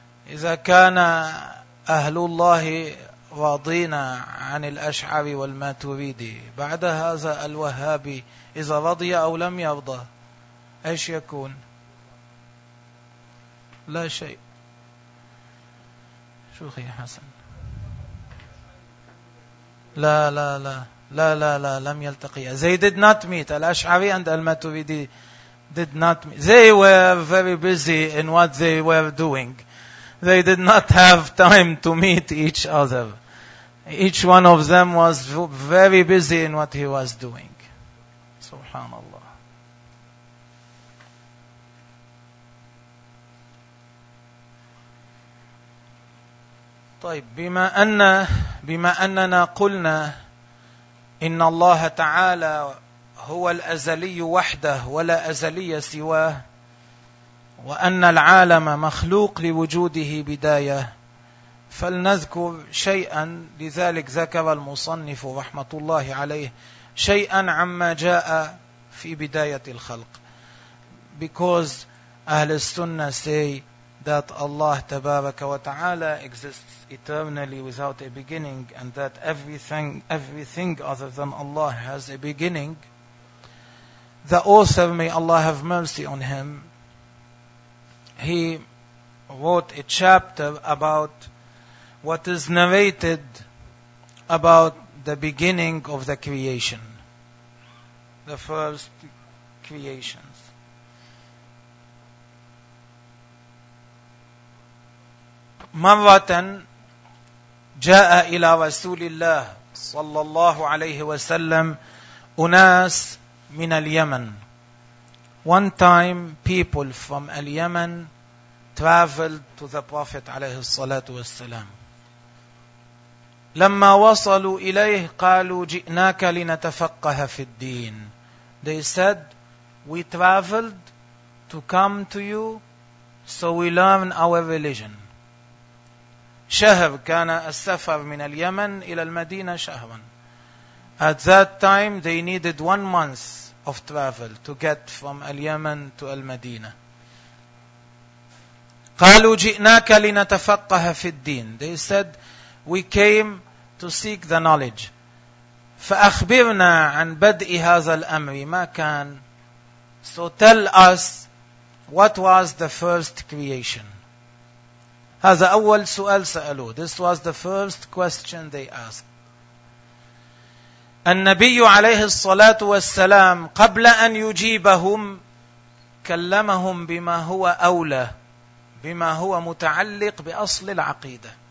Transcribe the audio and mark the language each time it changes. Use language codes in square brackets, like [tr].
[ar] إذا كان أهل الله راضين عن الأشعري والماتريدي بعد هذا الوهابي إذا رضي أو لم يرضى إيش يكون؟ لا شيء. شيخي حسن، لا لا لا لا لا لا لم يلتقيا. [en] They did not meet. Al-Ash'ari and Al-Maturidi did not meet. They were very busy in what they were doing. They did not have time to meet each other. Each one of them was very busy in what he was doing. Subhanallah. [ar] طيب بما أننا قلنا إن الله تعالى هو الأزلي وحده ولا أزلي سواه، وأن العالم مخلوق لوجوده بداية، فلنذكر شيئا، لذلك ذكر المصنف رحمة الله عليه شيئا عما جاء في بداية الخلق. [en] Because أهل السنة say that Allah [ar] تبارك وتعالى [en] exists eternally without a beginning, and that everything other than Allah has a beginning. The author, may Allah have mercy on him, he wrote a chapter about what is narrated about the beginning of the creation, the first creation. [ar] مرة جاء إلى رسول الله صلى الله عليه وسلم أناس من اليمن. [en] One time people from Yemen traveled to the Prophet [ar] عليه الصلاة والسلام. لما وصلوا إليه قالوا جئناك لنتفقه في الدين. [en] They said, we traveled to come to you so we learn our religion. [ar] شهر كان السفر من اليمن إلى المدينة شهرا. [en] At that time they needed 1 month of travel to get from اليمن to المدينة. [ar] قالوا جئناك لنتفقه في الدين. [en] They said, we came to seek the knowledge. [ar] فأخبرنا عن بدء هذا الأمر ما كان. [en] So tell us what was the first creation. [ar] هذا أول سؤال سألوه. [en] This was the first question they asked. [ar] النبي عليه الصلاة والسلام قبل أن يجيبهم كلمهم بما هو أولى، بما هو متعلق بأصل العقيدة.